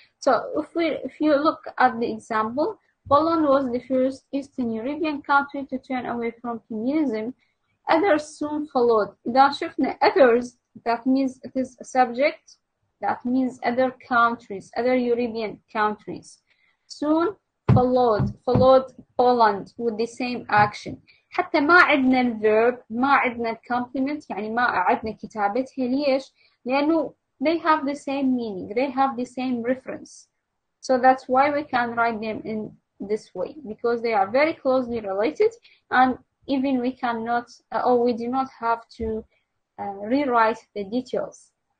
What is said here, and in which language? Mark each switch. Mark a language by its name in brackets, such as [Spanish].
[English] So if you look at the example, Poland was the first Eastern European country to turn away from communism. Others soon followed. Others, that means it is a subject, that means other countries, other European countries, soon followed Poland with the same action. [Arabic] حتى ما عندنا الverb, ما عندنا complement, يعني ما عندنا كتابتها. ليش؟ لأنه [English] they have the same meaning, they have the same reference. So that's why we can write them in this way, because they are very closely related, and even we cannot, or we do not have to rewrite the details.